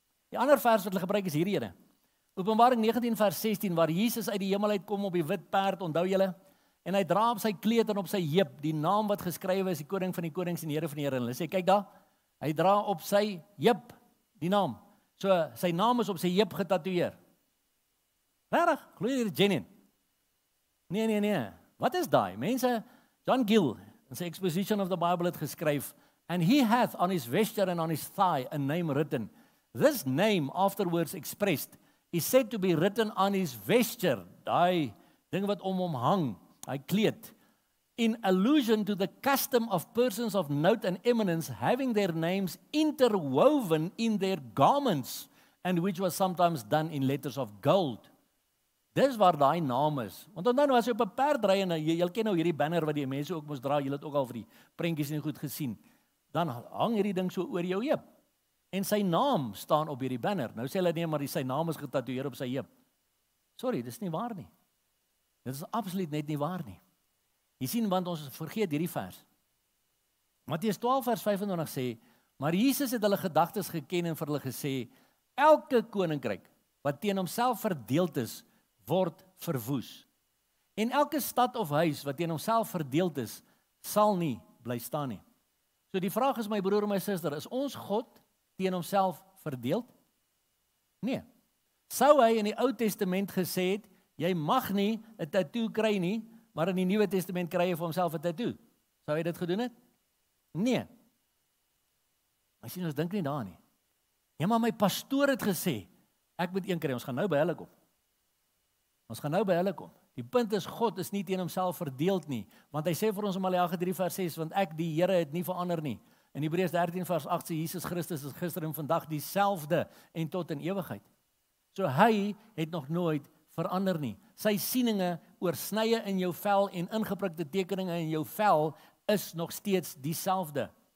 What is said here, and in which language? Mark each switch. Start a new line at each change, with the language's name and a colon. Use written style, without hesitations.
Afrikaans: Die ander vers wat hulle gebruik is hierdie ene. Openbaring 19 vers 16, waar Jesus uit die hemel uitkom op die wit paard, onthou julle, en hy dra op sy kleed en op sy heup, die naam wat geskrywe is, die koning van die konings en Here van die Here. En hulle sê, kyk daar, hy dra op sy heup, die naam. So, sy naam is op sy heup getatoeëer. Regtig, glo jy dit genuine? Nee. Wat is daai? Mense, John Gill, in sy Exposition of the Bible het geskryf,
English: and he hath on his vesture and on his thigh a name written. This name, afterwards expressed, is said to be written on his vesture,
Afrikaans: daai ding wat om hom hang, hy kleed,
English: in allusion to the custom of persons of note and eminence having their names interwoven in their garments, and which was sometimes done in letters of gold.
Afrikaans: Dis waar daai naam is. Want dan was jy op 'n perd ry, en jy ken nou hierdie banner wat die mense ook moes dra, jy het ook al vir die prentjies nie goed gesien, dan hang hierdie ding so oor jou heup. En sy naam staan op hierdie banner. Nou sê hulle nie, maar sy naam is getatoeëer op sy heup. Sorry, dis nie waar nie. Dit is absoluut net nie waar nie. Jy sien, want ons vergeet hierdie vers. Matteus 12 vers 25 sê, maar Jesus het hulle gedagtes geken en vir hulle gesê, elke koninkryk wat teen homself verdeeld is, word verwoes. En elke stad of huis wat teen homself verdeeld is, sal nie bly staan nie. So die vraag is my broer en my suster, is ons God teen homself verdeeld? Nee. Sou hy in die Ou Testament gesê het, jy mag nie 'n tattoo kry nie, maar in die Nuwe Testament kry jy vir homself 'n tattoo. Sou hy dit gedoen het? Nee. As jy ons dink nie daar nie. Ja, maar my pastoor het gesê, ek moet een kry, ons gaan nou by hulle kom. Die punt is, God is nie teen homself verdeeld nie, want hy sê vir ons in Maleagi 3 vers 6, want ek die Here het nie verander nie. In Hebreërs 13 vers 8 sê, Jesus Christus is gister en vandag dieselfde en tot in ewigheid. So hy het nog nooit verander nie. Sy sieninge oor snye in jou vel en ingeprikte tekeninge in jou vel is nog steeds dieselfde.